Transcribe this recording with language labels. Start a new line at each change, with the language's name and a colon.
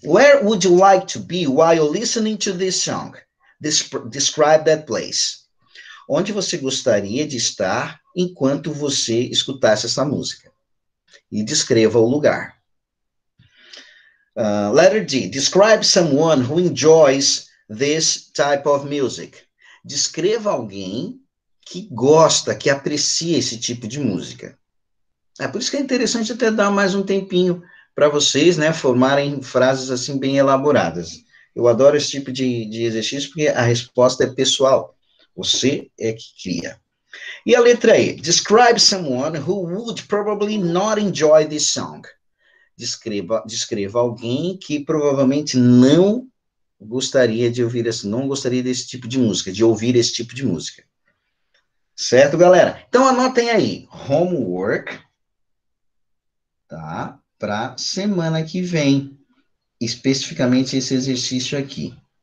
English: Where would you like to be while listening to this song? Describe that place.
Portuguese: Onde você gostaria de estar enquanto você escutasse essa música. E descreva o lugar.
English: Letter D. Describe someone who enjoys this type of music.
Portuguese: Descreva alguém que gosta, que aprecia esse tipo de música. É por isso que é interessante até dar mais um tempinho para vocês, né, formarem frases assim bem elaboradas. Eu adoro esse tipo de exercício porque a resposta é pessoal. Você é que cria. E a letra E,
English: describe someone who would probably not enjoy this song.
Portuguese: Descreva alguém que provavelmente não gostaria de ouvir essa, não gostaria desse tipo de música, de ouvir esse tipo de música. Certo, galera? Então anotem aí, homework, tá? Para semana que vem, especificamente esse exercício aqui.